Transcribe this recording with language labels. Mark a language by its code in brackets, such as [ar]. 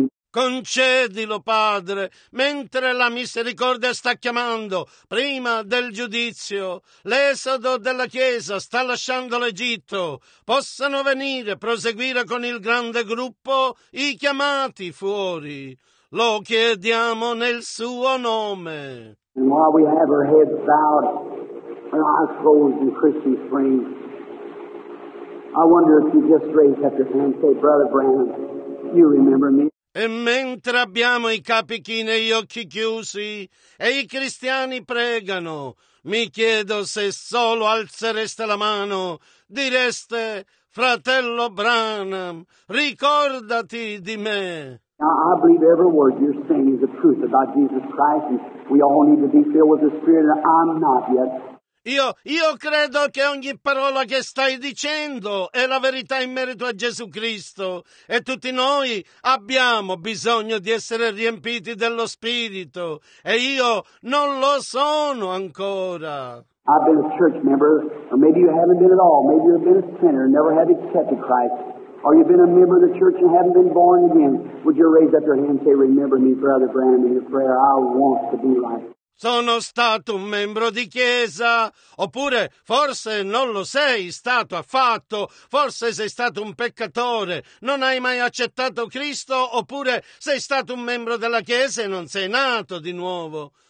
[it] Concedilo, Padre, mentre la misericordia sta chiamando, prima del giudizio, l'esodo della Chiesa sta lasciando l'Egitto, possano venire, proseguire con il grande gruppo, i chiamati fuori. Lo chiediamo nel suo nome. [en] And while we have our heads bowed, our eyes closed in Christian spring, I wonder if you just raise up your hand and say, Brother Branham, you remember me. [it] E mentre abbiamo i capi chini e gli occhi chiusi e i cristiani pregano, mi chiedo se solo alzereste la mano, direste, fratello Branham, ricordati di me. [en] Now, I believe every word you're saying is the truth about Jesus Christ, and we all need to be filled with the Spirit, and I'm not yet. [it] Io credo che ogni parola che stai dicendo è la verità in merito a Gesù Cristo, e tutti noi abbiamo bisogno di essere riempiti dello Spirito, e io non lo sono ancora. [en] I've been a church member, or maybe you haven't been at all. Maybe you've been a sinner and never have accepted Christ. Or you've been a member of the church and haven't been born again. Would you raise up your hand and say, remember me, Brother Branham, in your prayer. I want to be right. [it] Sono stato un membro di chiesa, oppure forse non lo sei stato affatto, forse sei stato un peccatore, non hai mai accettato Cristo, oppure sei stato un membro della chiesa e non sei nato di nuovo.